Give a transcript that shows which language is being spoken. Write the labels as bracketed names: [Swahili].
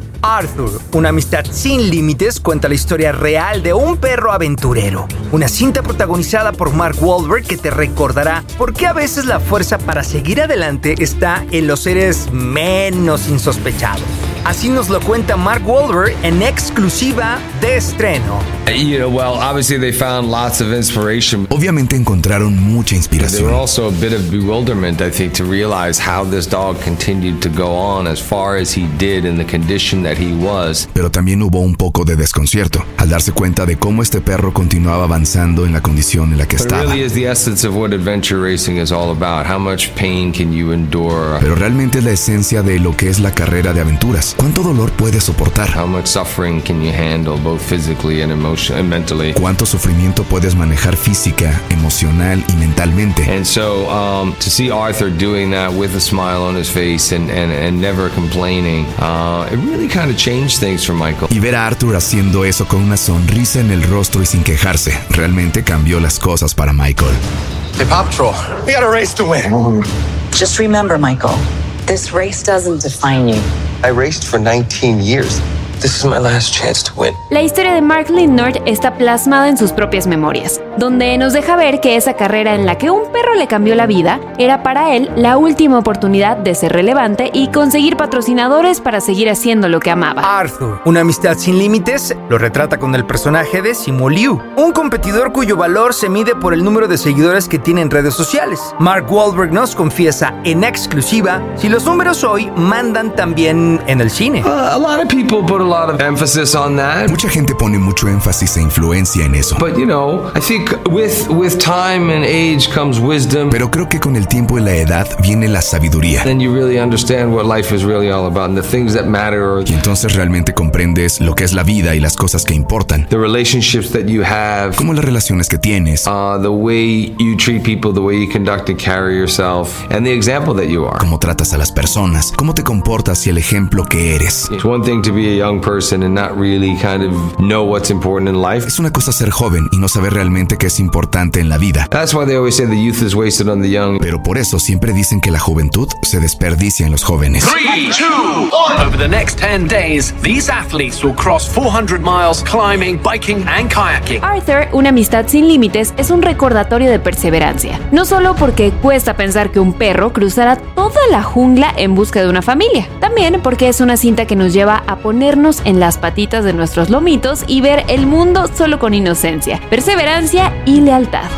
[Spanish] Arthur, una amistad sin límites, cuenta la historia real de un perro aventurero. Una cinta protagonizada por Mark Wahlberg que te recordará por qué a veces la fuerza para seguir adelante está en los seres menos insospechados. Así nos lo cuenta Mark Wahlberg en exclusiva de estreno. [English] You know, well, obviously they found lots of inspiration. [Spanish] Obviamente encontraron mucha inspiración. [English] There was also a bit of bewilderment, I think, to realize how this dog continued to go on as far as he did in the condition that he was. [Spanish] Pero también hubo un poco de desconcierto al darse cuenta de cómo este perro continuaba avanzando en la condición en la que estaba. [English] But really is the essence of what adventure racing is all about. How much pain can you endure? [Spanish] Pero realmente es la esencia de lo que es la carrera de aventura. ¿Cuánto dolor puedes soportar? [English] How much suffering can you handle, both physically and emotionally, and mentally? [Spanish] ¿Cuánto sufrimiento puedes manejar física, emocional y mentalmente? [English] And so, to see Arthur doing that with a smile on his face and never complaining, it really kind of changed things for Michael. [Spanish] Y ver a Arthur haciendo eso con una sonrisa en el rostro y sin quejarse, realmente cambió las cosas para Michael. [English] Hey, Paw Patrol, we got a race to win. Just remember, Michael, this race doesn't define you. I raced for 19 years. This is my last chance to win. [Spanish] La historia de Mark Lindnard está plasmada en sus propias memorias, donde nos deja ver que esa carrera en la que un perro le cambió la vida era para él la última oportunidad de ser relevante y conseguir patrocinadores para seguir haciendo lo que amaba. Arthur, una amistad sin límites, lo retrata con el personaje de Simu Liu, un competidor cuyo valor se mide por el número de seguidores que tiene en redes sociales. Mark Wahlberg nos confiesa en exclusiva si los números hoy mandan también en el cine. Mucha gente pone mucho énfasis e influencia en eso. [English] But you know, I think with time and age comes wisdom. [Spanish] Pero creo que con el tiempo y la edad viene la sabiduría. [English] Then you really understand what life is really all about and the things that matter. [Spanish] Y entonces realmente comprendes lo que es la vida y las cosas que importan. [English] The relationships that you have. [Spanish] Como las relaciones que tienes. [English] The way you treat people, the way you conduct and carry yourself, and the example that you are. [Spanish] Cómo tratas a las personas, cómo te comportas y el ejemplo que eres. [English] It's one thing to be a young young person and not really kind of know what's important in life. [Spanish] Es una cosa ser joven y no saber realmente qué es importante en la vida. [English] That's why they always say the youth is wasted on the young. [Spanish] Pero por eso siempre dicen que la juventud se desperdicia en los jóvenes. [English] 3, 2, 1. Over the next 10 days, these athletes will cross 400 miles climbing, biking and kayaking. [Spanish] Arthur, una amistad sin límites, es un recordatorio de perseverancia. No solo porque cuesta pensar que un perro cruzará toda la jungla en busca de una familia. También porque es una cinta que nos lleva a ponernos en las patitas de nuestros lomitos y ver el mundo solo con inocencia, perseverancia y lealtad.